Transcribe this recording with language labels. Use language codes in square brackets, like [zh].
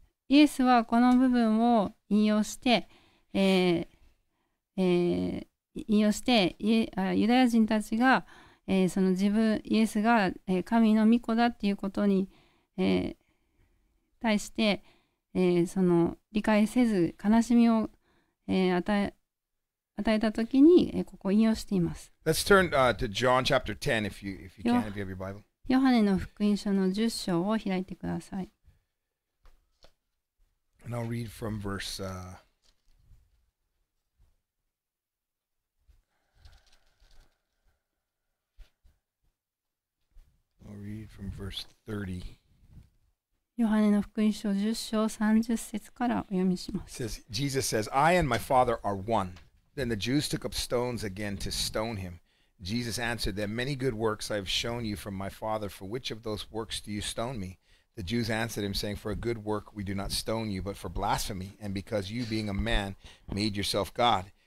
[ja] イエスはこの部分を引用して、引用して、ユダヤ人たちが、その自分イエスが、神の御子だっていうことに、対して、その理解せず悲しみを、与えた時にここ引用しています。 [en] Let's turn to John chapter 10 if you can, if you have your Bible. [ja] ヨハネの福音書の10章を開いてください。 [en] And I'll read from verse read from verse 30. [ja] ヨハネの福音書10章30節からお読みします。 [en] Says, Jesus says, I and my Father are one. Then the Jews took up stones again to stone him. Jesus answered them, Many good works I have shown you from my Father. For which of those works do you stone me? The Jews answered him, saying, For a good work we do not stone you, but for blasphemy, and because you, being a man, made yourself God.